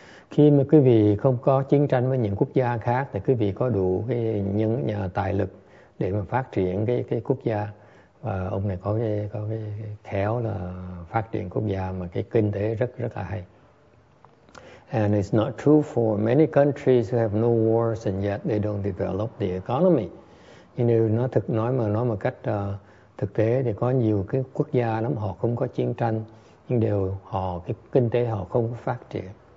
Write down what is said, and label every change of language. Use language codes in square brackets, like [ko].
[vi] Khi mà quý vị không có chiến tranh với những quốc gia khác thì quý vị có đủ cái những nhà tài lực để mà phát triển cái quốc gia. Và ông này có cái khéo là phát triển quốc gia mà cái kinh tế rất rất là hay. [en] And it's not true for many countries who have no wars and yet they don't develop the economy. [vi] Nhưng điều nó thực nói một cách thực tế thì có nhiều cái quốc gia lắm họ không có chiến tranh nhưng đều họ cái kinh tế họ không phát triển.